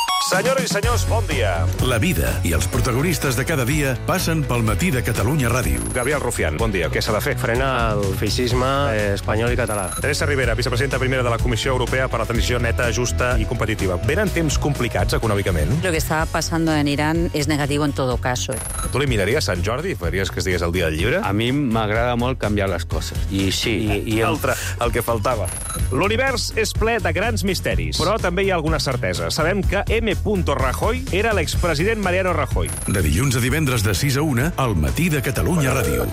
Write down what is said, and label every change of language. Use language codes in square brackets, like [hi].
[ca] Senyores i senyors, bon dia. La vida i els protagonistes de cada dia passen pel matí de Catalunya Ràdio. Gabriel Rufián, bon dia. Què s'ha de fer? Frena el feixisme espanyol i català. Teresa Rivera, vicepresidenta primera de la Comissió Europea per la transició neta, justa i competitiva. Venen temps complicats econòmicament? [es] Lo que está pasando en Irán es negativo en todo caso. [ca] Tu li miraries Sant Jordi? Faries que estigués el dia del llibre? A mi m'agrada molt canviar les coses. I sí. I altre, el que faltava. L'univers és ple de grans misteris, però també hi ha alguna certesa. Sabem que M. Rajoy era l'expresident Mariano Rajoy. De dilluns a divendres de 6 a 1 al matí de Catalunya Ràdio.